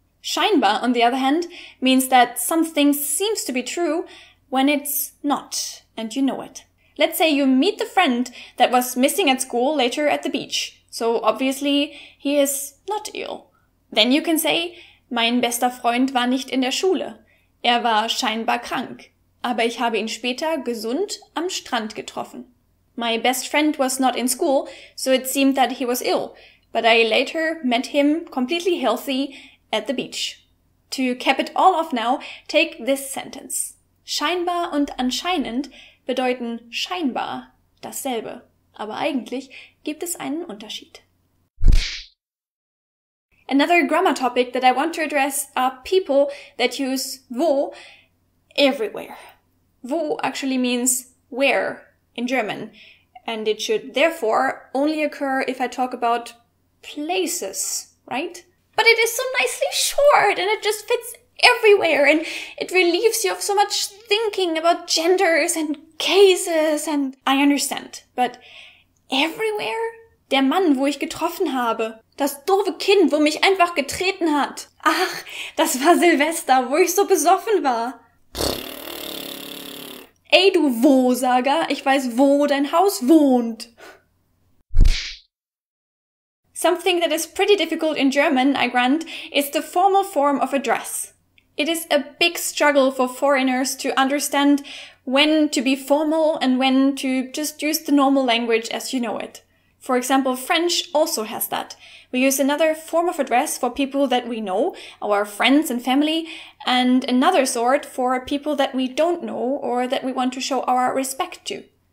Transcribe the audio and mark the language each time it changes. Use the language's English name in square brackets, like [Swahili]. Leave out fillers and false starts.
[English] Scheinbar, on the other hand, means that something seems to be true when it's not, and you know it. Let's say you meet the friend that was missing at school later at the beach, so obviously he is not ill. Then you can say, [German] mein bester Freund war nicht in der Schule. Er war scheinbar krank, aber ich habe ihn später gesund am Strand getroffen. [English] My best friend was not in school, so it seemed that he was ill, but I later met him completely healthy at the beach. To cap it all off now, take this sentence. [German] Scheinbar und anscheinend bedeuten scheinbar dasselbe, aber eigentlich gibt es einen Unterschied. [English] Another grammar topic that I want to address are people that use wo everywhere. Wo actually means where in German, and it should therefore only occur if I talk about places, right? But it is so nicely short and it just fits everywhere and it relieves you of so much thinking about genders and cases and... I understand, but everywhere? [German] Der Mann, wo ich getroffen habe. Das doofe Kind, wo mich einfach getreten hat. Ach, das war Silvester, wo ich so besoffen war. Ey, du Wo-Sager, ich weiß, wo dein Haus wohnt. [English] Something that is pretty difficult in German, I grant, is the formal form of address. It is a big struggle for foreigners to understand when to be formal and when to just use the normal language as you know it. For example, French also has that. We use another form of address for people that we know, our friends and family, and another sort for people that we don't know or that we want to show our respect to.